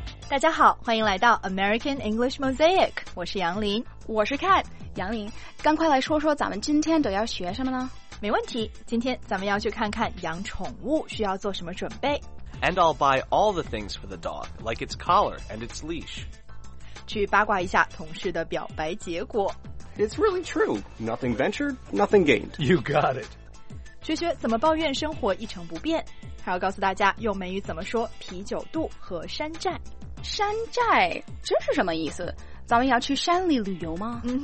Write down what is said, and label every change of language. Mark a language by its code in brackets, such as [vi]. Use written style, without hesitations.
[zh] 大家好，欢迎来到 American English Mosaic， 我是杨林。我是 Kat。杨林，赶快来说说咱们今天都要学什么呢？没问题，今天咱们要去看看养宠物需要做什么准备。 [en] And I'll buy all the things for the dog, like its collar and its leash. [zh] 去八卦一下同事的表白结果。 [en] It's really true, nothing ventured, nothing gained. You got it. [zh] 学学怎么抱怨生活一成不变，还要告诉大家用美语怎么说啤酒肚和山寨。山寨，这是什么意思？咱们要去山里旅游吗？